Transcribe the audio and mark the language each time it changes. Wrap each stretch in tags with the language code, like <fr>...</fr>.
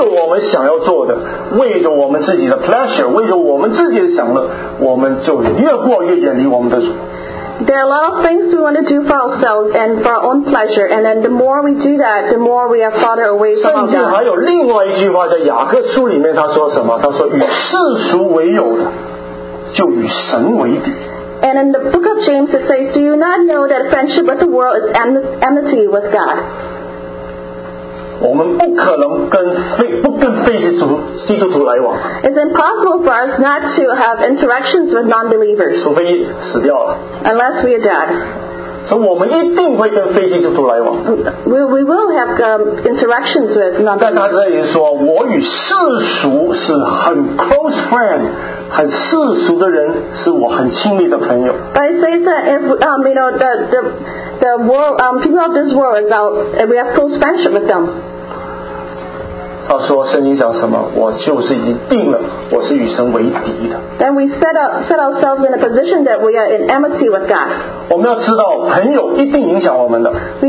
<zh>我们有好多我们的计划，但所有我们想要做的，为着我们自己的 pleasure， 为着我们自己的享乐，我们就越过越远离我们的主。</zh> <en>There are a lot of things we want to do for ourselves and for our own pleasure, and then the more we do that, the more we are farther away from God.</en> <zh>甚至还有另外一句话，在雅各书里面他说什么？他说与世俗为友的，就与神为敌。</zh> <en>And in the book of James it says, do you not know that friendship with the world is enmity with God?</en> <zh>我们不可能跟非基督徒来往。</zh> <en>It's impossible for us not to have interactions with non-believers.</en> <zh>除非死掉了。</zh> <en>Unless we are dead.</en> <zh>所以我们一定会跟非基督徒来往。</zh> <en>We will have interactions with non-believers.</en> <zh>但他这里说，我与世俗是很</zh> <en>close friend，</en> <zh>很世俗的人是我很亲密的朋友。</zh> <en>But it says that if you know the world people of this world is out, we have close friendship with them.</en> <zh>他说：“圣经讲什么？我就是已经定了，我是与神为敌的。”</zh> <en>Then we set ourselves in a position that we are in enmity with God.</en> <zh>我们要知道，朋友一定影响我们的。</zh> <en>We</en>